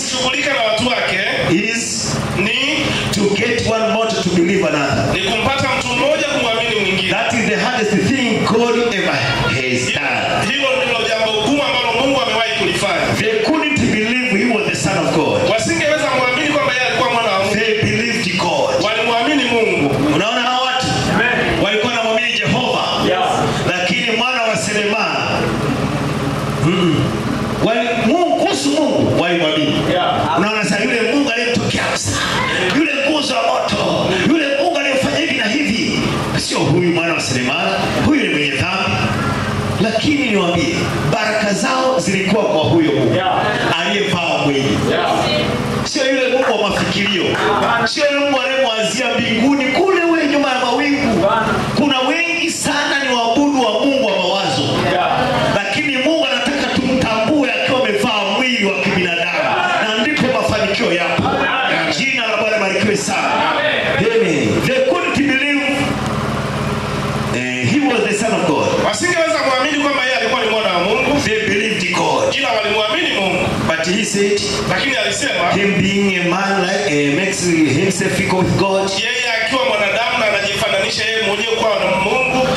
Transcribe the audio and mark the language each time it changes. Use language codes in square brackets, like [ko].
[sw] kushughulika na watu wake. [en] Is [sw] ni [en] to get one more to believe another. [sw] Ni kumpata mtu mmoja kumwamini mwingine. [en] That is the hardest thing God ever has done. [sw] Hilo ndilo jambo gumu ambalo Mungu amewahi kulifanya. [en] They couldn't believe he was the son of God. [sw] Wasingeweza kuamini kwamba yeye alikuwa mwana wa Mungu. [en] They believed God. [sw] Walimwamini Mungu. Unaona hawa watu? Amen. Walikuwa wanamwamini Jehovah. Yes. Lakini mwana wa Selemani. Wali Mungu kuhusu Mungu walimwamini. Yeah. Unaona sasa yule Mungu aliyetokea hapa. Yule nguzo ya moto. Yule Mungu aliyofanya hivi na hivi. Sio huyu mwana wa Selemani. Huyu ni mwenye dhambi. Lakini niwaambie, baraka zao zilikuwa kwa huyo Mungu. Yeah. Aliyefaa mwili. Yeah. Sio yule Mungu wa mafikirio. Sio yule Mungu aliyemwazia mbinguni kule wewe nyuma ya mawingu. Kuna wengi sana ni waabudu wa Mungu wa mawazo. Yeah. Lakini Mungu anataka tumtambue akiwa amefaa mwili wa kibinadamu. Na ndipo mafanikio yapo. Jina la Bwana barikiwe sana. Amen. [en] They couldn't believe he was the son of God. [sw] Wasingeweza kuamini kwamba yeye alikuwa ni mwana wa Mungu. [en] They believed God. [sw] Ila walimwamini Mungu. [en] But he said, [sw] lakini alisema, [en] him being a man like makes himself equal with God. [sw] Yeye akiwa mwanadamu na anajifananisha yeye mwenyewe kwa na Mungu.